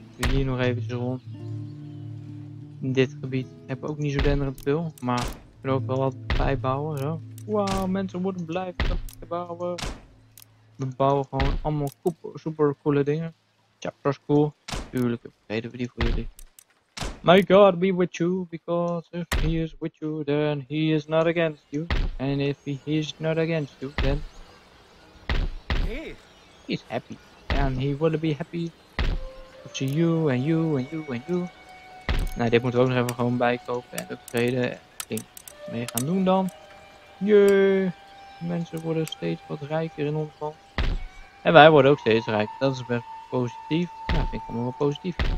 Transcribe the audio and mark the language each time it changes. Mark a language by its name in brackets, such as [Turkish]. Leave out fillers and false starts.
[Dutch] Hier nog eventjes rond. In dit gebied heb ik ook niet zo denderend veel, maar ik kan ook wel wat bijbouwen. Wauw, mensen moeten blijven bouwen. We bouwen gewoon allemaal super coole dingen. Ja, dat is cool. Tuurlijk, reden we die voor jullie. [English] My God be with you, because if he is with you, then he is not against you. And if he is not against you, then he's happy. And he will be happy to see you and you and you and you. [Dutch] Nou, dit moeten we ook nog even gewoon bijkopen en upgraden en ding mee gaan doen dan. Jee, mensen worden steeds wat rijker in ons land. En wij worden ook steeds rijker, dat is best positief. Ja, vind ik allemaal wel positief.